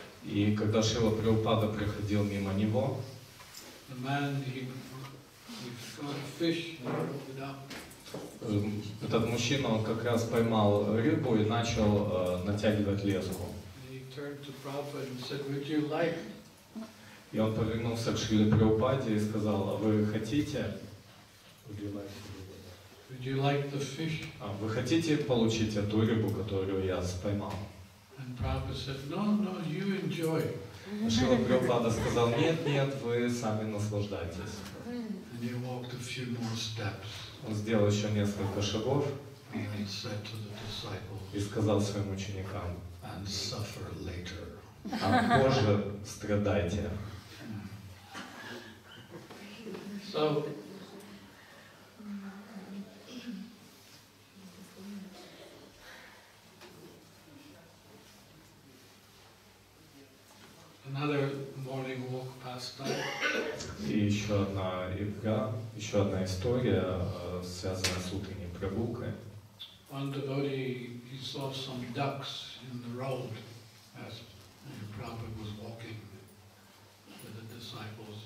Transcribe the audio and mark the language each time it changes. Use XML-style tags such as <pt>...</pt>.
<ru>и когда Шрила Прабхупада проходил мимо него,</ru> <en>the man he caught a fish and opened up.</en> <ru>Этот мужчина он как раз поймал рыбу и начал натягивать леску.</ru> <en>And he turned to Prabhupada and said, "Would you like?"</en> <ru>И он повернулся к Шриле Прабхупаде и сказал, "А вы хотите?"</ru> <en>Would you like the fish?</en> <ru>А вы хотите получить эту рыбу, которую я споймал?</ru> <en>And Prabhupada said, no, you enjoy.</en> <ru>Шрила Прабхупада сказал, нет, вы сами наслаждайтесь.</ru> <en>And he walked a few more steps.</en> <ru>Он сделал еще несколько шагов.</ru> <en>And he said to the disciples.</en> <ru>И сказал своим ученикам.</ru> <en>And suffer later.</en> <ru>А позже страдайте.</ru> <en>So. Another morning walk past.</en> <ru>И еще одна игра, еще одна история, связанная с утренней прогулкой.</ru> <en>One devotee, he saw some ducks in the road as Prabhupada was walking with the disciples.</en>